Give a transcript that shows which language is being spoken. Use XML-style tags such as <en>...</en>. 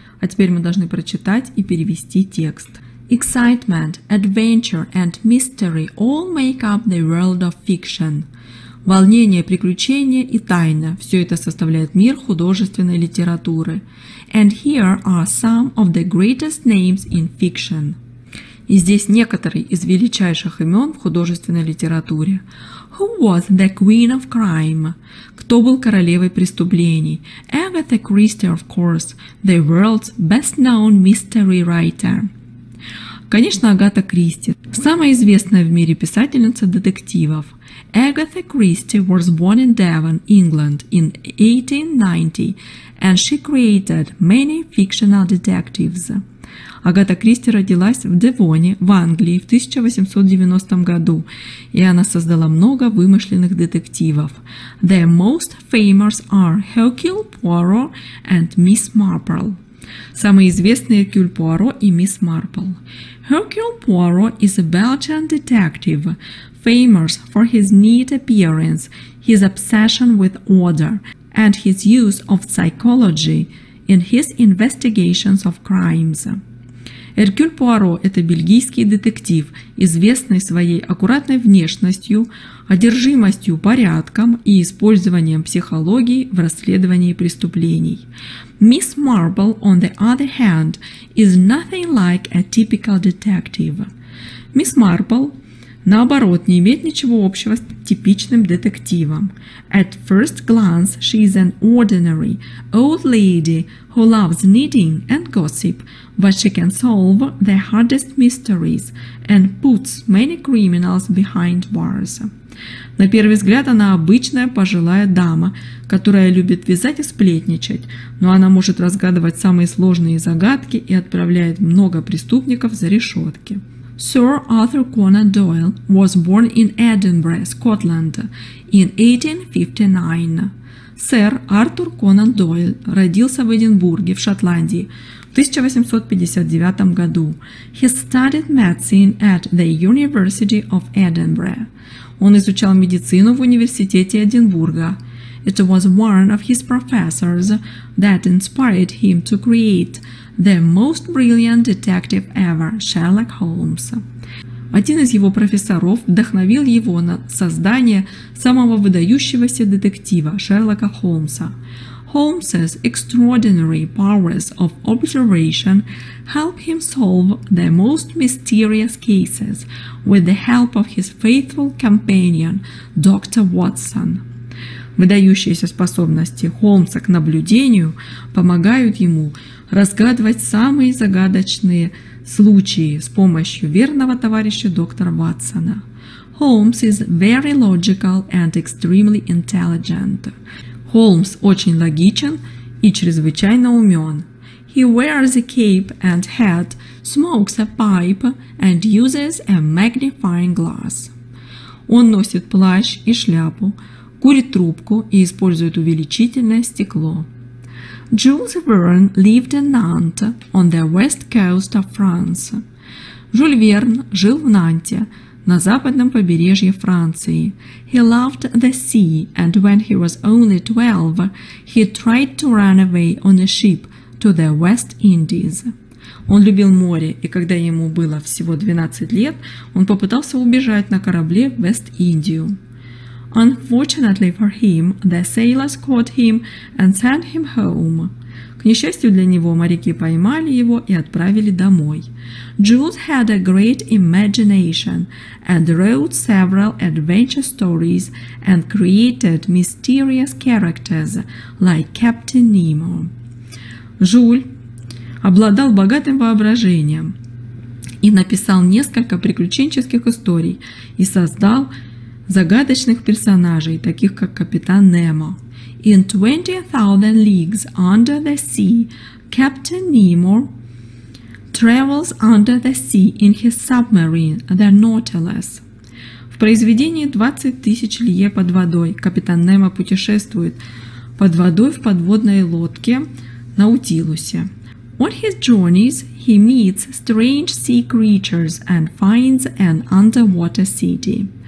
<ru>А теперь мы должны прочитать и перевести текст.</ru> <en>Excitement, adventure and mystery all make up the world of fiction.</en> <ru>Волнение, приключения и тайна – все это составляет мир художественной литературы.</ru> <en>And here are some of the greatest names in fiction.</en> <ru>И здесь некоторые из величайших имен в художественной литературе.</ru> <en>Who was the queen of crime?</en> <ru>Кто был королевой преступлений?</ru> <en>Agatha Christie, of course, the world's best-known mystery writer.</en> <ru>Конечно, Агата Кристи, самая известная в мире писательница детективов.</ru> <en>Agatha Christie was born in Devon, England, in 1890, and she created many fictional detectives.</en> <ru>Агата Кристи родилась в Девоне, в Англии, в 1890 году, и она создала много вымышленных детективов.</ru> <en>The most famous are Hercule Poirot and Miss Marple.</en> <ru>Самые известные – Hercule Poirot и Miss Marple.</ru> <en>Hercule Poirot is a Belgian detective, famous for his neat appearance, his obsession with order, and his use of psychology in his investigations of crimes.</en> <ru>Эркюль Пуаро – это бельгийский детектив, известный своей аккуратной внешностью, одержимостью порядком и использованием психологии в расследовании преступлений.</ru> <en>Miss Marple, on the other hand, is nothing like a typical detective.</en> <ru>Miss Marple, наоборот, не имеет ничего общего с типичным детективом.</ru> <en>At first glance, she is an ordinary old lady who loves knitting and gossip, but she can solve the hardest mysteries and puts many criminals behind bars.</en> <ru>На первый взгляд, она обычная пожилая дама, которая любит вязать и сплетничать, но она может разгадывать самые сложные загадки и отправляет много преступников за решетки.</ru> <en>Sir Arthur Conan Doyle was born in Edinburgh, Scotland, in 1859.</en> <ru>Сэр Артур Конан Дойл родился в Эдинбурге, в Шотландии, в 1859 году.</ru> <en>He studied medicine at the University of Edinburgh.</en> <ru>Он изучал медицину в университете Эдинбурга.</ru> <en>It was one of his professors that inspired him to create the most brilliant detective ever, Sherlock Holmes.</en> <ru>Один из его профессоров вдохновил его на создание самого выдающегося детектива Шерлока Холмса.</ru> <en>Holmes's extraordinary powers of observation help him solve the most mysterious cases with the help of his faithful companion, Dr. Watson.</en> <ru>Выдающиеся способности Холмса к наблюдению помогают ему разгадывать самые загадочные случаи с помощью верного товарища доктора Ватсона.</ru> <en>Holmes is very logical and extremely intelligent.</en> <ru>Холмс очень логичен и чрезвычайно умен.</ru> <en>He wears a cape and hat, smokes a pipe and uses a magnifying glass.</en> <ru>Он носит плащ и шляпу, курит трубку и использует увеличительное стекло.</ru> <en>Jules Verne lived in Nantes on the west coast of France.</en> <ru>Жюль Верн жил в Нанте, на западном побережье Франции.</ru> <en>He loved the sea, and when he was only 12, he tried to run away on a ship to the West Indies.</en> <ru>Он любил море, и когда ему было всего 12 лет, он попытался убежать на корабле в Вест-Индию.</ru> <en>Unfortunately for him, the sailors caught him and sent him home.</en> <ru>К несчастью для него, моряки поймали его и отправили домой.</ru> <en>Jules had a great imagination and wrote several adventure stories and created mysterious characters like Captain Nemo.</en> <ru>Жюль обладал богатым воображением и написал несколько приключенческих историй и создал загадочных персонажей, таких как капитан Немо.</ru> <en>In 20,000 Leagues Under the Sea, Captain Nemo travels under the sea in his submarine, the Nautilus.</en> <ru>В произведении 20,000 лье под водой капитан Немо путешествует под водой в подводной лодке Наутилусе.</ru> <en>On his journeys, he meets strange sea creatures and finds an underwater city.</en>